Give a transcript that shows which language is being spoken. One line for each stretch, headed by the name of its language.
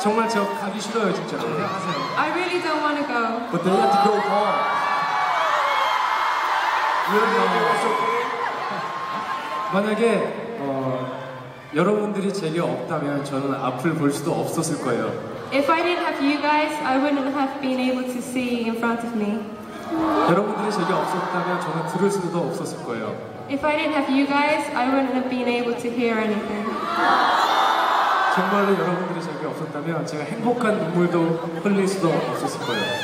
Korean: 정말 저 가기 싫어요 진짜. 하세요.
English: I really don't want to go. But they have to go home. Really? It's okay.
Korean: 만약에 여러분들이 제게 없다면 저는 앞을 볼 수도 없었을 거예요.
English: If I didn't have you guys, I wouldn't have been able to see in front of me.
Korean: 여러분들이 제게 없었다면 저는 들을 수도 없었을 거예요.
English: If I didn't have you guys, I wouldn't have been able to hear anything.
Korean: 정말로 여러분들이 제게 없었다면 제가 행복한 눈물도 흘릴 수도 없었을 거예요.